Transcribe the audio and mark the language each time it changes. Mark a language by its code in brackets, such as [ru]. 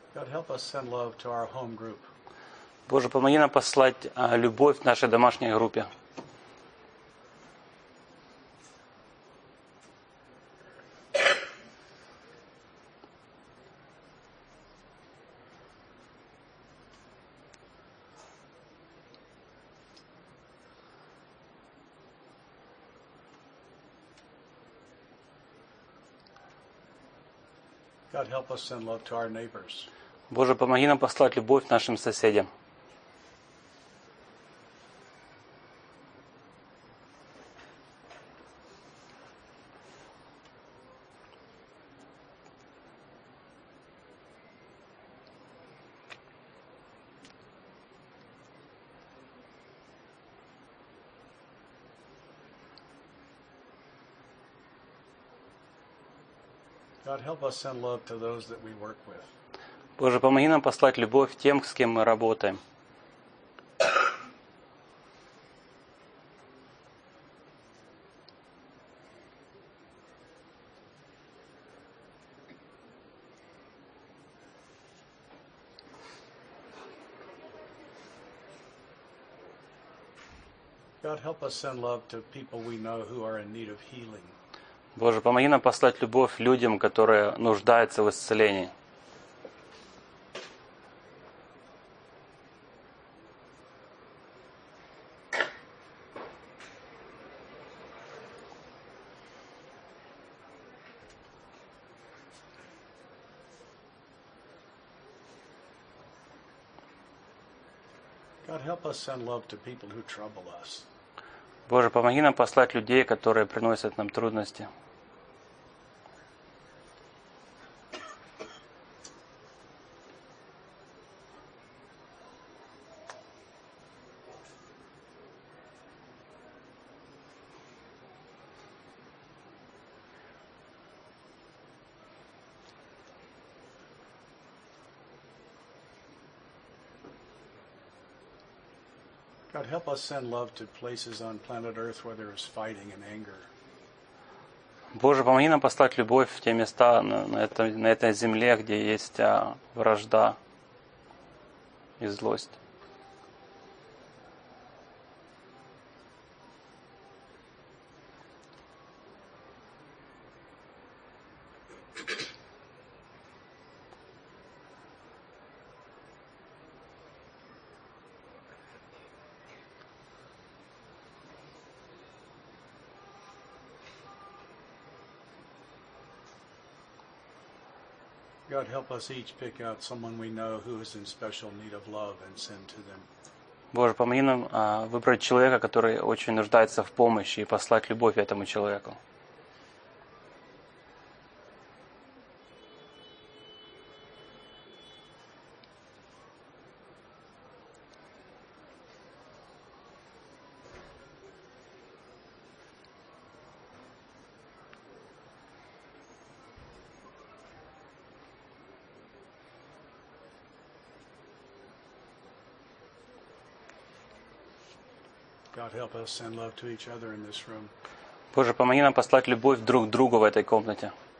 [en] Help us send love to our home group. [ru] Боже, помоги нам послать любовь нашей домашней группе. [en] God help us send love to our neighbors. [ru] Боже, помоги нам послать любовь нашим соседям. [en] God help us send love to those that we work with. [ru] Боже, помоги нам послать любовь тем, с кем мы работаем. [en] God help us send love to people we know who are in need of healing. [ru] Боже, помоги нам послать любовь людям, которые нуждаются в исцелении. [en] Help us send love to people who trouble us. [ru] Боже, помоги нам послать людей, которые приносят нам трудности. [en] God help us send love to places on planet Earth where there is fighting and anger. [ru] Боже, помоги нам послать любовь в те места на этой земле, где есть вражда и злость. [en] God help us each pick out someone we know who is in special need of love and send to them. [ru] Боже, помоги нам выбрать человека, который очень нуждается в помощи, и послать любовь этому человеку. [en] God help us send love to each other in this room. [ru] Боже, помоги нам послать любовь друг к другу в этой комнате.